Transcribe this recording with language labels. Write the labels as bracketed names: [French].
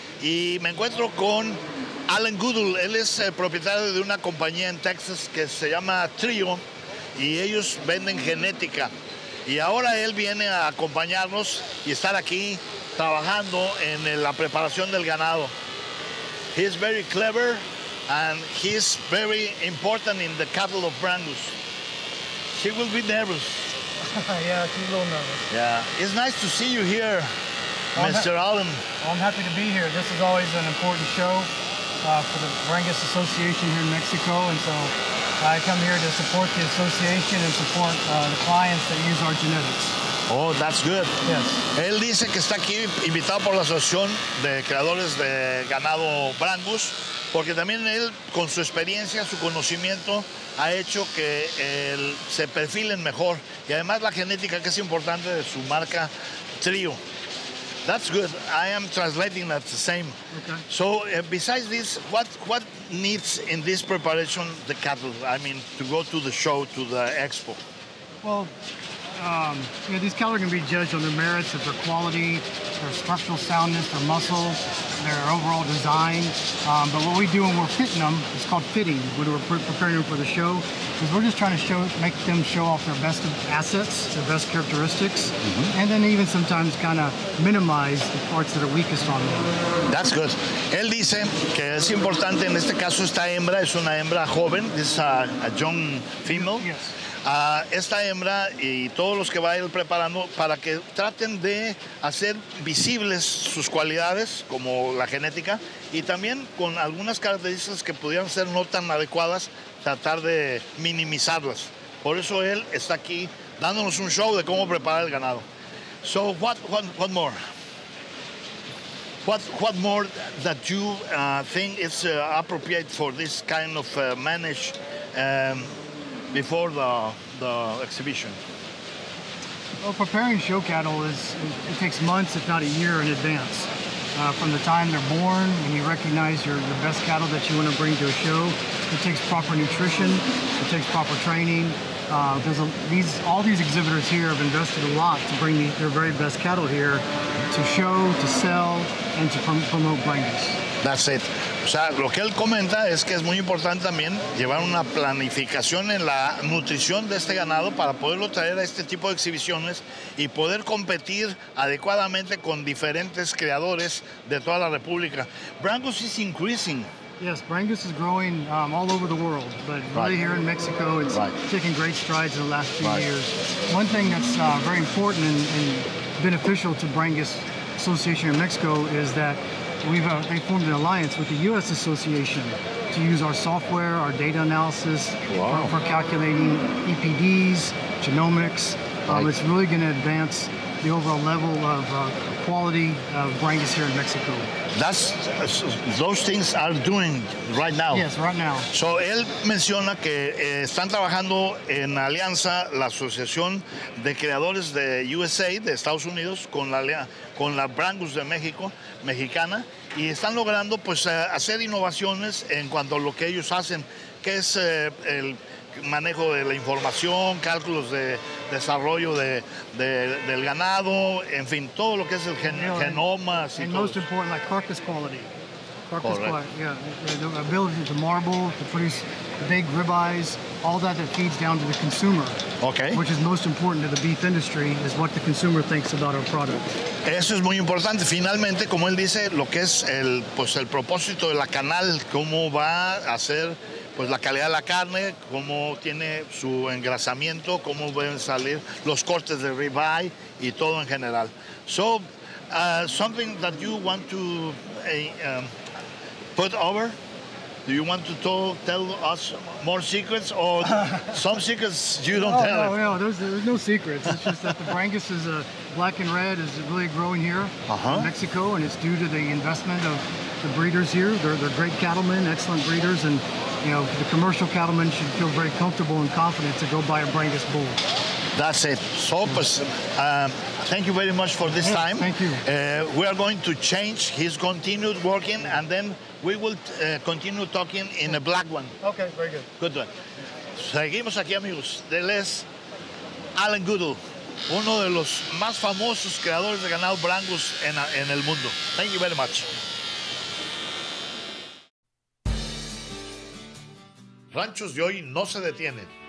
[Spanish] Y me encuentro con Alan Goodall. Él es propietario de una compañía en Texas que se llama Trio. Y ellos venden genética. Y ahora él viene a acompañarnos y estar aquí trabajando en la preparación del ganado. [English] He's very clever and he's very important in the cattle of Brangus. He will be nervous. Yeah, he's a little nervous. Yeah. It's nice to see you here, Mr. Allen. Well, I'm happy to be here. This is always an important show for the Brangus Association here in Mexico. And so I come here to support the association and support the clients that use our genetics. Oh, that's good. Yes. [Spanish] Él dice que está aquí invitado por la Asociación de Creadores de Ganado Brangus, porque también él, con su experiencia, su conocimiento, ha hecho que se perfilen mejor. Y además la genética, que es importante, de su marca Trio. [English] That's good. I am translating that the same. Okay. So, besides this, what needs in this preparation the cattle? I mean, to go to the show, to the expo? Well, you know, these cattle are going to be judged on their merits, of their quality, their structural soundness, their muscle, their overall design. But what we do when we're fitting them, it's called fitting, when we're preparing them for the show, is we're just trying to make them show off their best assets, their best characteristics, mm-hmm. and then even sometimes kind of minimize the parts that are weakest on them. [Spanish] That's good. Él dice que es importante, en este caso esta hembra es una hembra joven, [English] this is a young female. Yes. [Spanish] Esta hembra y todos los que va a ir preparando para que traten de hacer visibles sus cualidades como la genética y también con algunas características que pudieran ser no tan adecuadas tratar de minimizarlas. Por eso él está aquí dándonos un show de cómo preparar el ganado. [English] So what more? What more that you think is appropriate for this kind of manage? Before the exhibition? Well, preparing show cattle it takes months, if not a year in advance. From the time they're born, when you recognize your best cattle that you want to bring to a show, it takes proper nutrition, it takes proper training. All these exhibitors here have invested a lot to bring their very best cattle here to show, to sell, and to promote Brangus. That's it. [Spanish] O sea, lo que él comenta es que es muy importante también llevar una planificación en la nutrición de este ganado para poderlo traer a este tipo de exhibiciones y poder competir adecuadamente con diferentes creadores de toda la República. [English] Brangus is increasing. Yes, Brangus is growing all over the world, but really right. Here in Mexico, it's right. Taken great strides in the last few right. years. One thing that's very important and beneficial to Brangus Association in Mexico is that they formed an alliance with the U.S. Association to use our software, our data analysis wow. for calculating EPDs, genomics. Right. It's really going to advance the overall level of quality of Brangus here in Mexico. Those things are doing right now. Yes, right now. So, él menciona que están trabajando en alianza la Asociación de Creadores de USA, de Estados Unidos, con la Brangus de México, mexicana, y están logrando pues hacer innovaciones en cuanto a lo que ellos hacen, que es el manejo de la información, cálculos de desarrollo del ganado, en fin, todo lo que es el genoma. And most important, like carcass quality. Carcass quality, yeah. The ability to marble, to produce big ribeyes, all that feeds down to the consumer. Okay. Which is most important to the beef industry is what the consumer thinks about our product. [Spanish] Eso es muy importante. Finalmente, como él dice, lo que es el propósito de la canal, cómo va a ser pues la calidad de la carne, cómo tiene su engrasamiento, cómo deben salir los cortes de ribeye y todo en general. [English] So, something that you want to put over? Do you want to tell us more secrets or some secrets you don't oh, tell? No, no, there's no secrets. It's just that the Brangus is black and red is really growing here uh-huh. in Mexico, and it's due to the investment of the breeders here. They're great cattlemen, excellent breeders, and you know, the commercial cattlemen should feel very comfortable and confident to go buy a Brangus bull. That's it. So, thank you very much for this time. Thank you. We are going to change his continued working, and then we will continue talking in a black one. Okay, very good. Good one. [Spanish] Seguimos aquí, amigos. Él es Alan Goodell, uno de los más famosos creadores de ganado brangus en el mundo. [English] Thank you very much. [Spanish] Ranchos de hoy no se detienen.